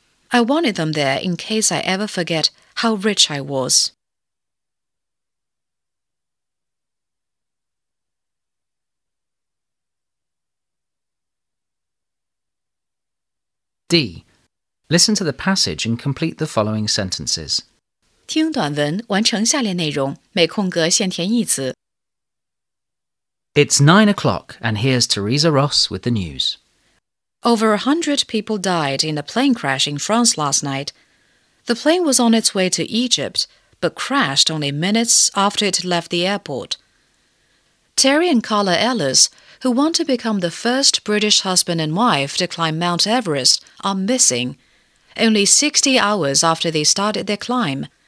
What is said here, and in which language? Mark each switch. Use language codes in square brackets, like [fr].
[en] I wanted them there in case I ever forget how rich I was. D. Listen to the passage and complete the following sentences. [zh] 听短文完成下列内容，每空格先填一词。 [en] It's 9 o'clock, and here's Teresa Ross with the news. Over 100 people died in a plane crash in France last night. The plane was on its way to Egypt, but crashed only minutes after it left the airport. Terry and Carla Ellis, who want to become the first British husband and wife to climb Mount Everest, are missing, only 60 hours after they started their climb.